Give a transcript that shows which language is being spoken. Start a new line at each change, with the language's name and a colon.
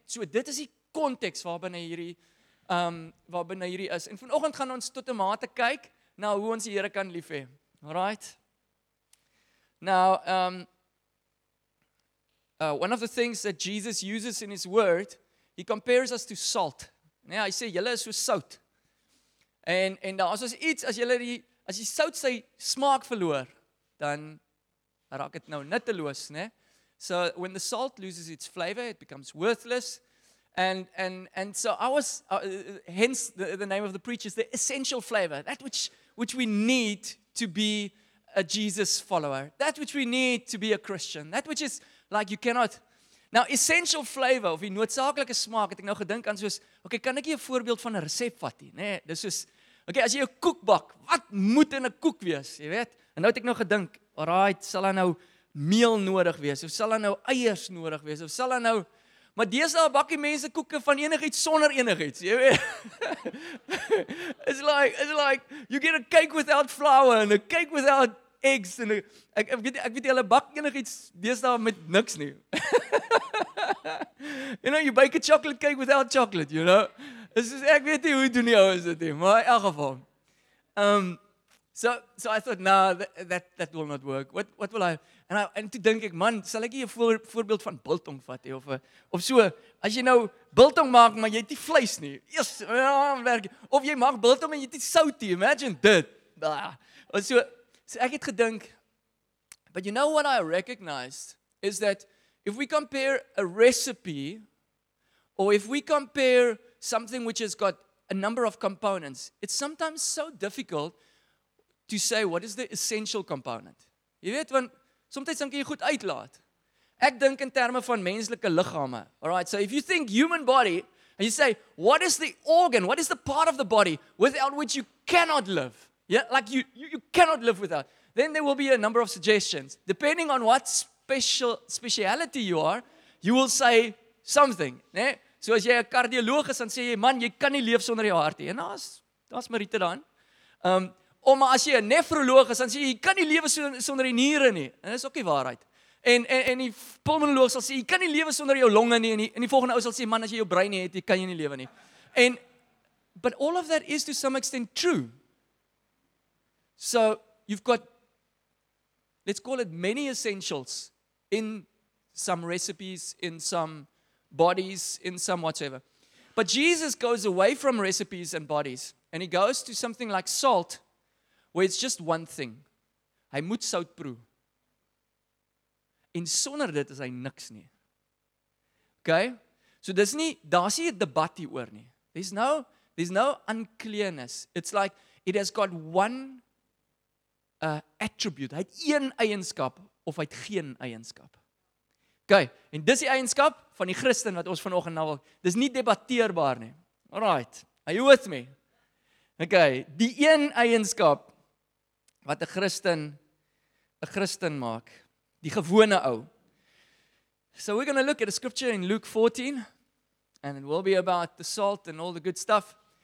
Afrikaans: So dit is die konteks waarbinne hierdie is. En vanoggend gaan ons tot 'n mate kyk na hoe ons die Here kan lief hê.
English: Alright? Now, one of the things that Jesus uses in his word, he compares us to salt.
Afrikaans: Né? Hy sê julle is so sout. En daar is ons iets as julle die as jy sout sy smaak verloor, dan raak dit nou nutteloos, né?
English: So when the salt loses its flavor, it becomes worthless. And so I was hence the name of the preach is the essential flavor, that which we need to be a Jesus follower, that which we need to be a Christian, that which is like you cannot. Now essential flavor
Afrikaans: of die noodsaaklike smaak, het ek nou gedink aan soos, okay, kan ek jy 'n voorbeeld van 'n resep vat hier, né? Dis soos okay, as jy 'n koek bak, wat moet in 'n koek wees, jy weet? En nou het ek nou gedink, alright, sal hy nou meel nodig wees, of sal hy nou eiers nodig wees, of sal hy nou, maar deesdae bak die mense koeke van enigiets sonder enigiets, jy weet?
English: It's like, you get a cake without flour, and a cake without eggs, and
Afrikaans: ek weet, hulle bak enigiets deesdae met niks nie.
English: You know, you bake a chocolate cake without chocolate, you know?
Afrikaans: Dis ek weet nie hoe doen die ouens dit nie, maar in elk geval.
English: So I thought no, that will not work. What will I?
Afrikaans: And toe dink ek, man, sal ek nie 'n voorbeeld van biltong vat hê of so, as jy nou biltong maak, maar jy het nie vleis nie. Yes, werk. Of jy maak biltong en jy het nie sout nie. Imagine dit. So ek het gedink,
English: but you know what I recognized is that if we compare a recipe or if we compare something which has got a number of components, it's sometimes so difficult to say what is the essential component.
Afrikaans: Jy weet, want sometimes dan kan jy goed uitlaat. Ek dink in terme van menslike liggame.
English: Alright, so if you think human body, and you say, what is the organ, what is the part of the body without which you cannot live? Yeah, like you cannot live without. Then there will be a number of suggestions. Depending on what speciality you are, you will say something.
Afrikaans: Né? So as jy 'n kardioloog is, dan sê jy, man, jy kan nie leef sonder jou hart nie. En daar's Marita dan. Maar as jy 'n nefroloog is, dan sê jy, jy kan nie leef sonder die niere nie. En dis ook die waarheid. En die pulmonoloog sal sê, jy kan nie leef sonder jou longe nie. En die volgende ou sal sê, man, as jy jou brein nie het, jy kan jy nie lewe nie.
English: But all of that is to some extent true. So you've got, let's call it many essentials in some recipes, in some bodies, in some whatever. But Jesus goes away from recipes and bodies, and he goes to something like salt, where it's just one thing.
Afrikaans: Hy moet sout proe. En sonder dit is hy niks nie. Okay? So dis nie, daar's nie 'n debat hier oor nie.
English: There's no unclearness. It's like, it has got one attribute.
Afrikaans: Hy het een eienskap, of hy het geen eienskap. Okay, en dis die eienskap van die Christen wat ons vanoggend nou wil. Dis nie debatteerbaar nie.
English: Alright, are you with me?
Afrikaans: Okay, die een eienskap wat 'n Christen 'n Christen maak, die gewone ou.
English: So we're going to look at a scripture in Luke 14, and it will be about the salt and all the good stuff.